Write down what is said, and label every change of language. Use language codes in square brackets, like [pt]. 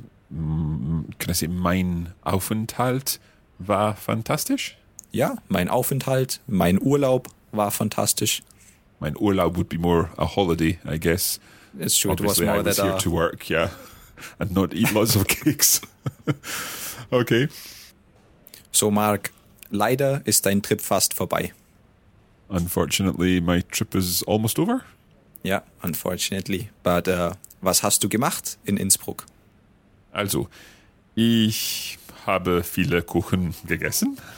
[en] Can I say, [de] mein Aufenthalt war fantastisch? Ja, mein Aufenthalt, mein Urlaub war fantastisch. [en] Mein Urlaub would be more a holiday, I guess. It's true, obviously, it was more I was that here to work, yeah, and not eat lots of cakes. Okay. [de] So, Mark, leider ist dein Trip fast vorbei. [en] Unfortunately, my trip is almost over. [de] Ja, [en] unfortunately. But [de] was hast du gemacht in Innsbruck? Also, ich habe viele Kuchen gegessen.